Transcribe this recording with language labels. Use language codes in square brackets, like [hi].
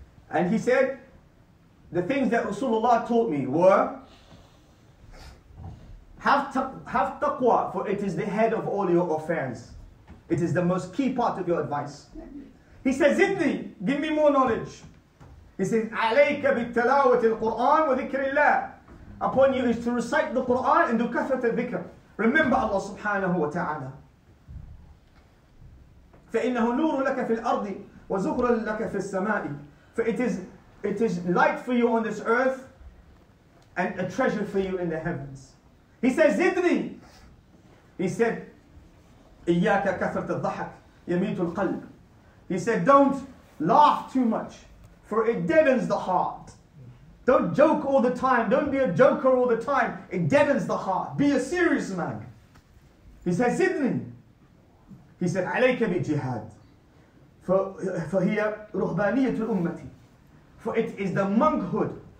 [en] And he said, the things that Rasulullah taught me were, have taqwa, for it is the head of all your affairs. It is the most key part of your advice. He says, "Zidni, give me more knowledge. He says, [ar] عَلَيْكَ بِالتَّلَاوَةِ الْقُرْآنِ وَذِكْرِ اللَّهِ. [en] Upon you is to recite the Qur'an and do kathrat al-dhikr. Remember Allah subhanahu wa ta'ala. [ar] فَإِنَّهُ نُورٌ لَكَ فِي الْأَرْضِ وَزُخْرًا لَكَ فِي السَّمَاءِ. [en] For it is light for you on this earth and a treasure for you in the heavens. He says, [ar] زِدْنِي. [en] He said, [ar] إِيَّاكَ كَثْرَةَ الضَّحَكِ يَمِيتُ الْقَلْبِ. [en] He said, don't laugh too much, for it deadens the heart. Don't joke all the time. Don't be a joker all the time. It deadens the heart. Be a serious man. He said, [ar] زِدْنِي. [en] He said, [ar] عَلَيْكَ بِجِهَادِ. فَهِيَ رُهْبَانِيَةُ الْأُمَّةِ. [en] For it is the monkhood.